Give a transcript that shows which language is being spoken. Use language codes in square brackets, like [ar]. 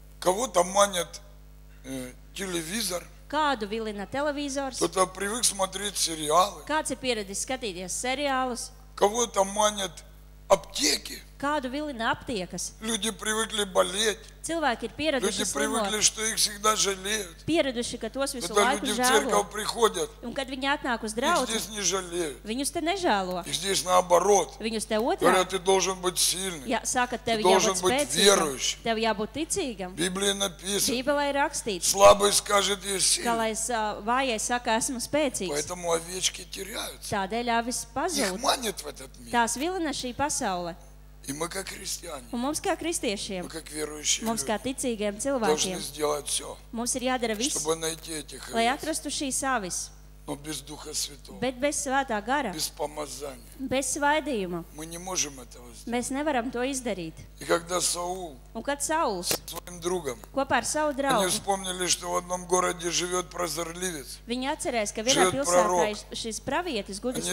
[ru] Кого-то манят телевизор. [lv] Kādu vilina televizors. [ru] Кто-то привык смотреть сериалы. [lv] Kāds ir pieradis skatīties seriālus. [ru] Кого-то манят аптеки. [lv] Kādu vilina aptiekas? [ru] Люди привыкли болеть. [lv] Cilvēki ir pieraduši [ru] слово. Люди привыкли, что их всегда жалеют. [lv] Pieraduši, ka tos visu [ru] когда [lv] laiku [ru] жалуют. Приходят. [lv] Un kad viņi atnāk uz draudzi, [ru] их здесь не жалеют. [lv] Viņus te nežālo. [ru] Их здесь наоборот. [lv] Viņus te otrā. [ru] Говорят, ты должен быть сильным. [lv] Ja, saka, tev jābūt spēcīgam. Tev jābūt ticīgam. [ru] Biblija написано. [lv] Bībelē ir rakstīts. [ru] Слабый скажет, я сильный. [lv] Ka, lai vājais saka, esmu spēcīgs. [ru] Поэтому овечки теряются. [lv] Tādēļ avis pazūd. [ru] Их манит в этот мир. [lv] Tās vilina šī pasaule. [ru] И мы как христиане. [lv] Un mums kā kristiešiem. [ru] Мы как верующие. [lv] Mums kā ticīgiem cilvēkiem. [ru] Должны сделать все. [lv] Mums ir jādara viss. [ru] Чтобы найти этих [lv] лей atrastu šīs avis. [ru] Но без Духа Святого. [lv] Bet bez Svētā Gara. [ru] Без помазания. [lv] Bez svaidījuma. [ru] Мы не можем этого сделать. [lv] Mēs nevaram to izdarīt. [ru] И когда Саул. [lv] Un kad Sauls. [ru] Своим другом. [lv] Kopā ar savu draugu. [ru] Они вспомнили, что в одном городе живёт прозорливец. [lv] Viņi atcerēs, ka vienā pilsētā ir šis pravietis, gudrs cilvēks.